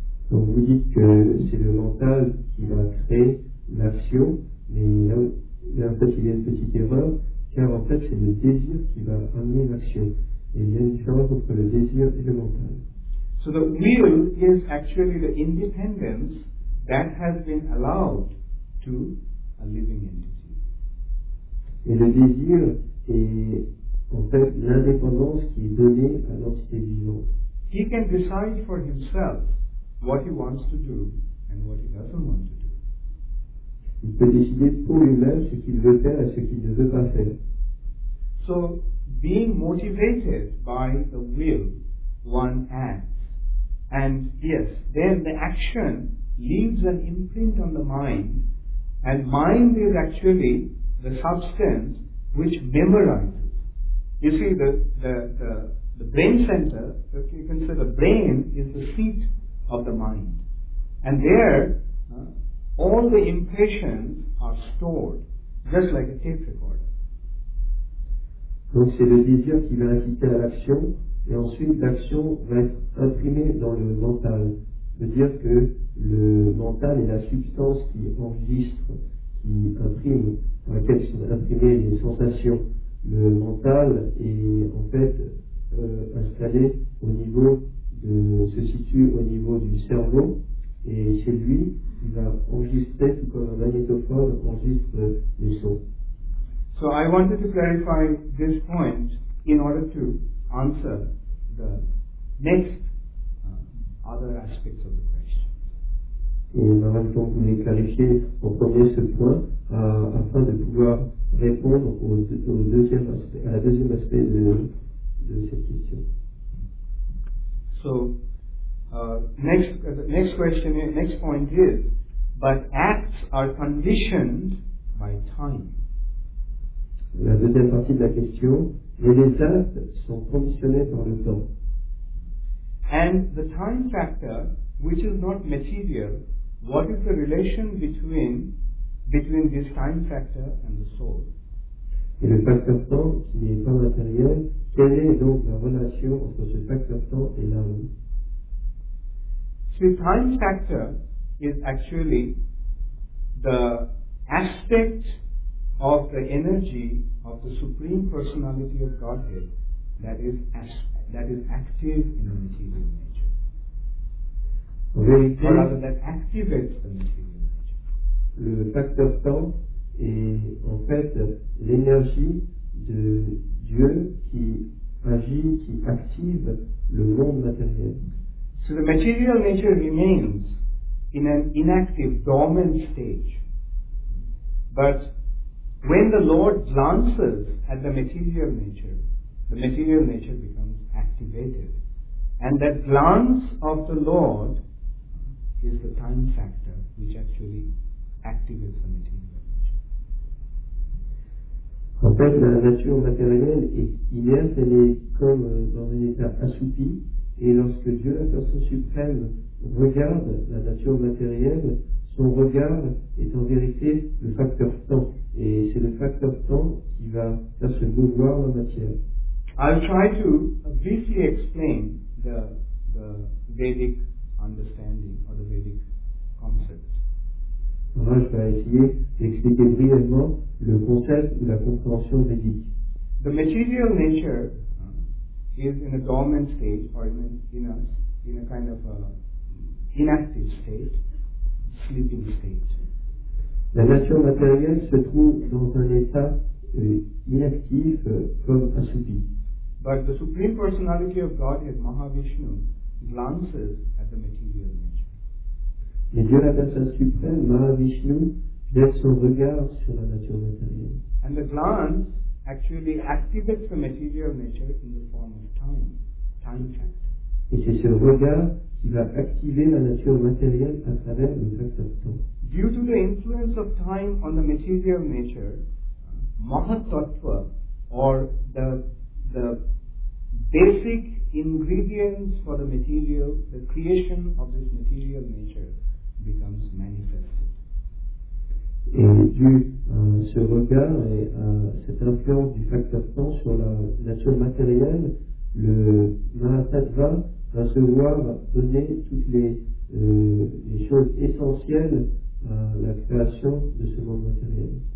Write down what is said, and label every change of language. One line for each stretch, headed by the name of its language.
French: Donc vous dites que c'est le mental qui va créer l'action, mais là en fait il y a une petite erreur, car en fait c'est le désir qui va amener l'action, et il y a une différence entre le désir et le mental.
English: So the will is actually the independence that has been allowed to a living entity.
French: Et le désir est en fait l'indépendance qui est donnée à l'entité vivante.
English: He can decide for himself what he wants to do and what he doesn't want to do.
French: Il peut décider pour lui-même ce qu'il veut faire et ce qu'il ne veut pas faire.
English: So, being motivated by the will, one acts. And yes, then the action leaves an imprint on the mind. And mind is actually the substance which memorizes. You see, the brain center, you can say the brain is the seat of the mind. And there, all the impressions are stored, just like a tape recorder.
French: Donc c'est le désir qui va inciter à l'action, et ensuite l'action va être imprimée dans le mental. C'est-à-dire que le mental est la substance qui enregistre, qui imprime, dans laquelle sont imprimées les sensations. Le mental est en fait installé au niveau de, se situe au niveau du cerveau, et c'est lui qui va enregistrer, tout comme un magnétophone enregistre les sons.
English: So I wanted to clarify this point in order to answer the next other aspects of the question.
French: Et maintenant, je voulais clarifier en premier ce point afin de pouvoir répondre à la deuxième aspect de cette question.
English: So, next point is, but acts are conditioned by time.
French: La deuxième partie de la question, mais les actes sont conditionnés par le temps.
English: And the time factor, which is not material, what is the relation between this time factor and the soul?
French: Et le facteur temps qui n'est pas matériel, quelle est donc la relation entre ce facteur temps et l'âme?
English: See, time factor is actually the aspect of the energy of the Supreme Personality of Godhead that is active in the material nature.
French: vérité,
English: or rather that activates the material nature.
French: Le facteur temps est en fait l'énergie de Dieu qui agit, qui active le monde matériel.
English: So the material nature remains in an inactive, dormant stage. But when the Lord glances at the material nature becomes activated. And that glance of the Lord is the time factor which actually activates the material nature.
French: En fait, la nature matérielle est inerte, elle est comme dans un état assoupi, et lorsque Dieu, la personne suprême, regarde la nature matérielle, son regard est en vérité le facteur temps, et c'est le facteur temps qui va faire se mouvoir la matière.
English: I'll try to briefly explain the Vedic understanding or the Vedic concept.
French: Alors, je vais essayer d'expliquer brièvement le concept ou la compréhension védique.
English: The material nature is in a dormant state or in a kind of a inactive state, sleeping state.
French: La nature matérielle se trouve dans un état inactif comme assoupi.
English: But the Supreme Personality of Godhead, Mahavishnu, glances at the material nature.
French: Et Dieu, la personne suprême, Mahavishnu, jette son regard sur la nature matérielle.
English: And the glance actually activates the material nature in the form of time, time factor.
French: Et c'est ce regard qui va activer la nature matérielle à travers le facteur temps.
English: Due to the influence of time on the material nature, Mahatattva, or the basic ingredients for the material, the creation of this material nature, becomes manifested.
French: Et dû à ce regard et à cette influence du facteur temps sur la nature matérielle, le Mahatattva va se voir donner toutes les choses essentielles à la création de ce monde matériel.